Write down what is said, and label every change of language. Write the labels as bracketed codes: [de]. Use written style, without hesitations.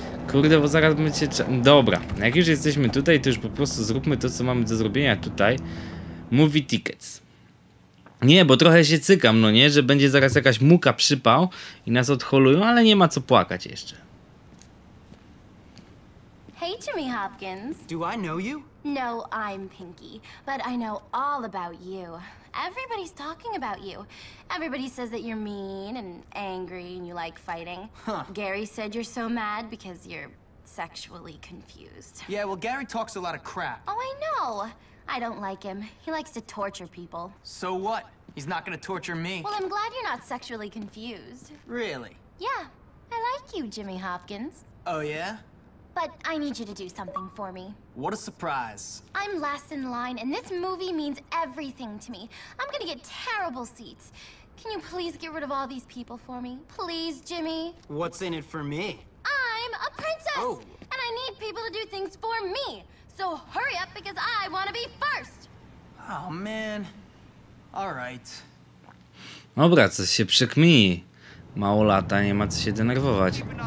[pl] Kurde, bo zaraz będzie... Dobra, jak już jesteśmy tutaj, to już po prostu zróbmy to, co mamy do zrobienia tutaj. [en] Movie tickets. [pl] Nie, bo trochę się cykam, no nie, że będzie zaraz jakaś muka przypał i nas odholują, ale nie ma co płakać jeszcze. [en] Hey, Jimmy Hopkins. Do I know you? No, I'm Pinky, but I know all about you. Everybody's talking about you. Everybody says that you're mean and angry and you like fighting. Huh. Gary said you're so mad because you're sexually confused. Yeah, well, Gary talks a lot of crap. Oh, I know. I don't like him. He likes to torture people. So what? He's not gonna torture me. Well, I'm glad you're not sexually confused. Really? Yeah. I like you, Jimmy Hopkins. Oh, yeah? But I need you to do something for me. What a surprise. I'm last in line, and this movie means everything to me. I'm gonna get terrible seats. Can you please get rid of all these people for me? Please, Jimmy? What's in it for me? I'm a princess! Oh. And I need people to do things for me! So hurry up, because I want to be first! Oh man... Alright. [pl] Dobra, coś się przykmini. Mało lata, nie ma co się denerwować.